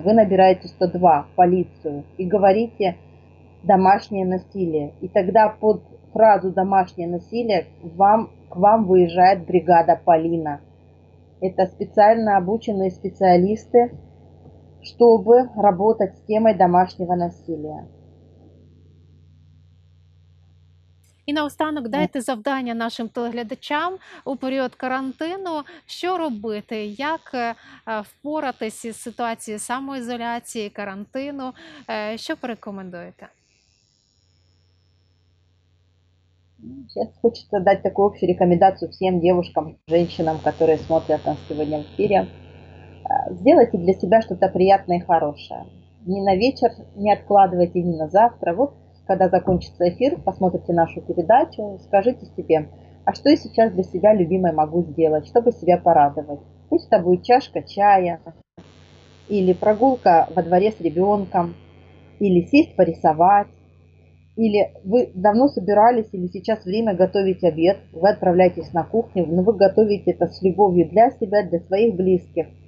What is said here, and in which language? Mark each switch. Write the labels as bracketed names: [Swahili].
[Russian] Вы набираете 102 в полицию и говорите «домашнее насилие». И тогда под фразу «домашнее насилие» к вам выезжает бригада «Полина». Это специально обученные специалисты, чтобы работать с темой домашнего насилия. [Ukrainian] І наостанок дайте завдання нашим телеглядачам у період карантину, що робити, як впоратись із ситуацією самоізоляції, карантину, що порекомендуєте? Зараз хочеться дати таку общу рекомендацію всім дівчатам, жінкам, які дивляться нас сьогодні в ефірі. Зробіть для себе щось приємне і хороше. Ні на вечір, не відкладайте, ні на завтра. [Russian] Вот. Когда закончится эфир, посмотрите нашу передачу, скажите себе, а что я сейчас для себя любимой могу сделать, чтобы себя порадовать? Пусть это будет чашка чая, или прогулка во дворе с ребенком, или сесть порисовать, или вы давно собирались, или сейчас время готовить обед, вы отправляетесь на кухню, но вы готовите это с любовью для себя, для своих близких.